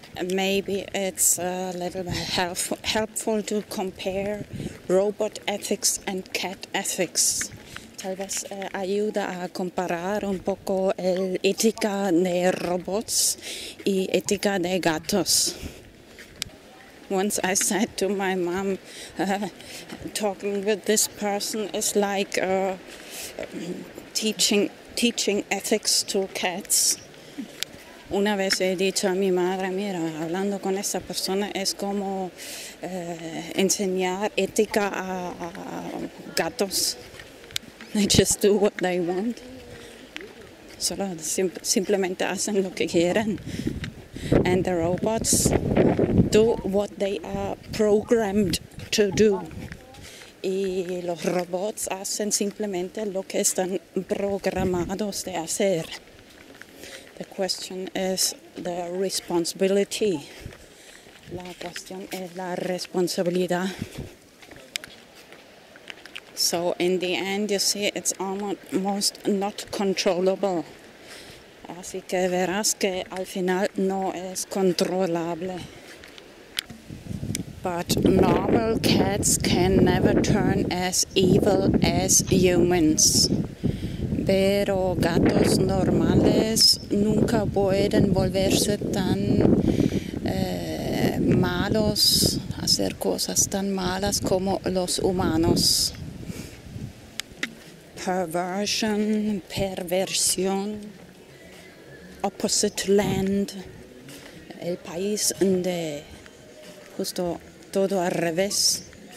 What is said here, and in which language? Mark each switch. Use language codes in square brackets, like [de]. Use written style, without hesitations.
[en] Maybe it's a little helpful to compare robot ethics and cat ethics. [es] Tal vez ayuda a comparar un poco el ética de robots y ética de gatos. [en] Once I said to my mom, talking with this person is like teaching ethics to cats. [es] Una vez he dicho a mi madre, mira, hablando con esa persona es como enseñar ética a gatos. [en] They just do what they want. [es] Solo simplemente hacen lo que quieren. [en] And the robots do what they are programmed to do. [es] Y los robots hacen simplemente lo que están programados de hacer. [en] The question is the responsibility. [es] La cuestión es la responsabilidad. [en] So in the end, you see, it's almost not controllable. [es] Así que verás que al final no es controlable. [en] But normal cats can never turn as evil as humans. [es] Pero gatos normales nunca pueden volverse tan malos, hacer cosas tan malas como los humanos. Perversion, perversión. [en] Opposite land, [es] el país de justo todo al revés.